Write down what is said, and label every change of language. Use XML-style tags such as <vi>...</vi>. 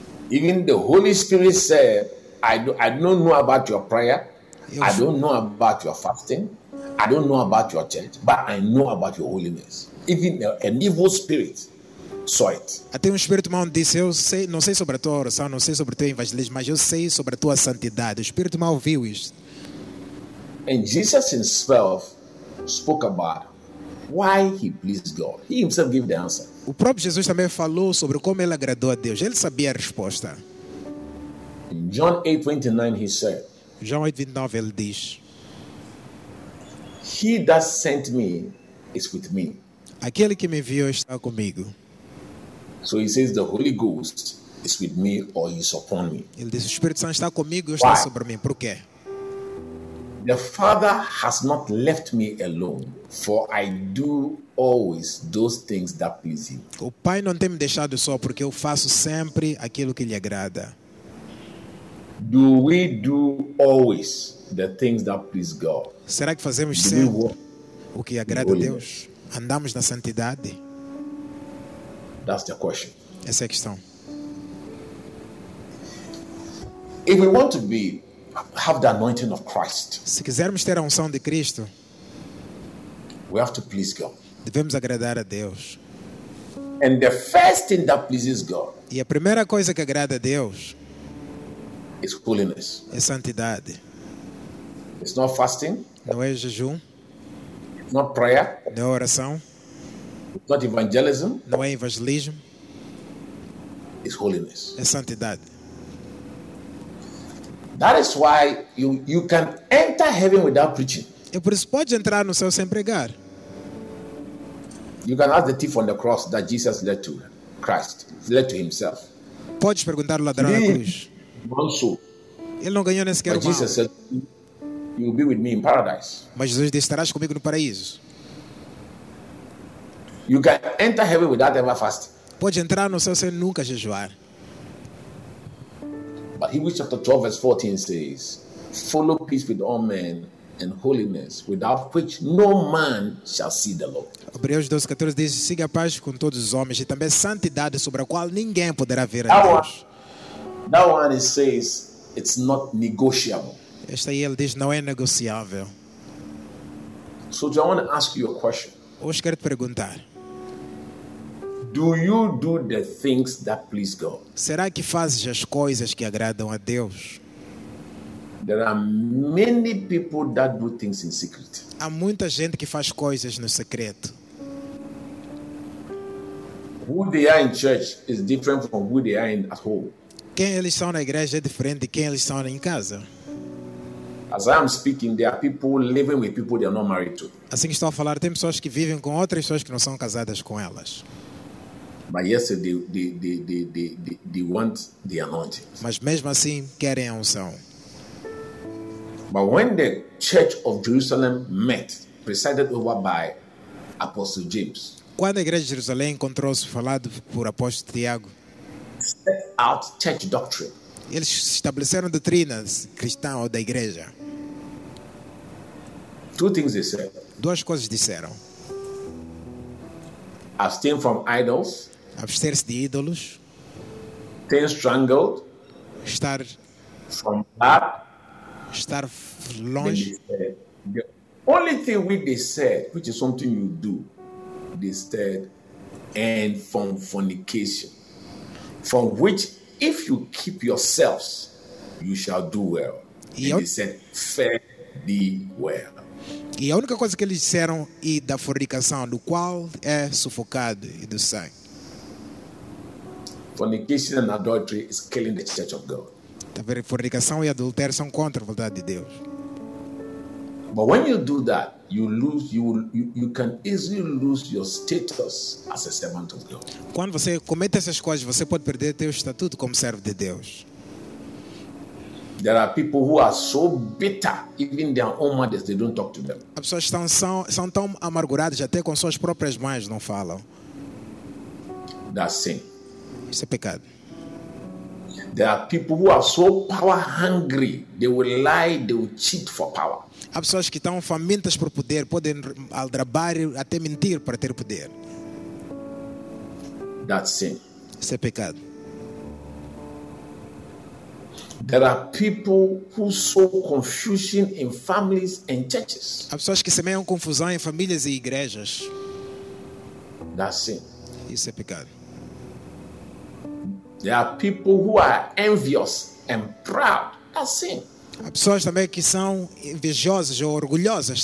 <en>Even the Holy Spirit said, I don't know about your prayer. I don't know about your fasting. I don't know about your church, but I know about your holiness. Even an evil spirit saw it.</en> <pt>Até espírito mau disse, eu sei, não sei sobre a tua oração, não sei sobre o teu evangelismo, mas eu sei sobre a tua santidade. O espírito mau viu isto.</pt> <en>And Jesus himself spoke about why he pleased God. He himself gave the answer.</en> <pt>O próprio Jesus também falou sobre como ele agradou a Deus. Ele sabia a resposta.</pt> <en>In John 8:29 he said.</en> <pt>João 8:29 ele diz.</pt> <en>He that sent me is with me.</en> <pt>Aquele que me enviou está comigo.</pt> <en>So he says the Holy Ghost is with me or is upon me.</en> <pt>Ele diz o Espírito Santo está comigo e está sobre mim. Por quê?</pt> <en>The Father has not left me alone, for I do always those things that please Him.</en> <pt>O Pai não tem me deixado só, porque eu faço sempre aquilo que lhe agrada.</pt> <en>Do we do always the things that please God?</en> <pt>Será que fazemos sempre o que agrada a Deus? Andamos na santidade?</pt> <en>That's the question.</en> <pt>Essa é a questão.</pt> <en>If we want to be have the anointing of Christ,</en> <pt>se quisermos ter a unção de Cristo,</pt> <en>we have to please God.</en> <pt>Devemos agradar a Deus.</pt> <en>And the first thing that pleases God,</en> <pt>e a primeira coisa que agrada a Deus,</pt> <en>is holiness.</en> <pt>É santidade.</pt> <en>It's not fasting.</en> <pt>Não é jejum.</pt> <en>It's not prayer.</en> <pt>Não é oração.</pt> <en>It's not evangelism.</en> <pt>Não é evangelismo.</pt> <en>It's holiness.</en> <pt>É santidade.</pt> <en>That is why you can enter heaven without preaching.</en> <pt>É por isso que pode entrar no céu sem pregar.</pt> <en>You can ask the thief on the cross that Jesus led to Christ, led to himself.</en> <pt>Podes perguntar ao ladrão na cruz.</pt> <en>Also,</en> <pt>ele não ganhou nem sequer mal.</pt> <en>Jesus said, "You will be with me in paradise."</en> <pt>Mas Jesus disse, estarás comigo no paraíso.</pt> <en>You can enter heaven without ever fasting.</en> <pt>Pode entrar no céu sem nunca jejuar.</pt> <en>But Hebrews chapter 12 verse 14 says, "Follow peace with all men and holiness, without which no man shall see the Lord."</en> <pt>Hebreus 12:14 diz, "Siga a paz com todos os homens e também santidade sobre a qual ninguém poderá ver a</pt> <en>Deus." That one it says it's not negotiable.</en> <pt>Esta aí ele diz não é negociável.</pt> <en>So do I want to ask you a question?</en> <pt>Hoje quero te perguntar.</pt> <en>Do you do the things that please God?</en> <pt>Será que fazes as coisas que agradam a Deus?</pt> <en>There are many people that do things in secret.</en> <pt>Há muita gente que faz coisas no secreto.</pt> <en>Who they are in church is different from who they are in at home.</en> <pt>Quem eles são na igreja é diferente de quem eles são em casa.</pt> <en>As I am speaking, there are people living with people they are not married to.</en> <pt>Assim que estou a falar, tem pessoas que vivem com outras pessoas que não são casadas com elas.</pt> <en>But yesterday, they want the anointing.</en> <pt>Mas mesmo assim querem a unção.</pt> <en>But when the Church of Jerusalem met, presided over by Apostle James,</en> <pt>quando a igreja de Jerusalém encontrou-se falado por Apóstolo Tiago,</pt> <en>set out church doctrine.</en> <pt>Eles estabeleceram doutrinas cristã ou da igreja.</pt> <en>Two things they said.</en> <pt>Duas coisas disseram.</pt> <en>Abstain from idols.</en> <pt>Abster-se de ídolos.</pt> <en>Stay strangled.</en> <pt>Estar</pt> <en>from that.</en> <pt>Estar longe.</pt> <en>The only thing which they said, which is something you do, they said, and from fornication, from which if you keep yourselves, you shall do well. And they said, fare thee well.</en> <pt>E a única coisa que eles disseram e da fornicação, do qual é sufocado e do sangue.</pt> <en>Fornication and adultery is killing the church of God.</en> <pt>Fornicação e adultério são contra a vontade de Deus.</pt> <en>But when you do that, you can easily lose your status as a servant of God.</en> <pt>Quando você comete essas coisas, você pode perder teu estatuto como servo de Deus.</pt> <en>There are people who are so bitter, even their own mothers, they don't talk to them.</en> <pt>As pessoas são tão amarguradas até com suas próprias mães não falam.</pt> <en>That's sin.</en> <pt>Isso é pecado.</pt> <en>There are people who are so power hungry, they will lie, they will cheat for power.</en> <pt>Há pessoas que estão famintas por poder, podem aldrabar até mentir para ter poder.</pt> <en>That's sin.</en> <pt>Isso é pecado.</pt> <en>There are people who sow confusion in families and churches.</en> <pt>Há pessoas que semeiam confusão em famílias e igrejas.</pt> <en>That's sin.</en> <pt>Isso é pecado.</pt> <en>There are people who are envious and proud. That's sin.</en> <pt>Há pessoas também que são invejosas ou orgulhosas.</pt>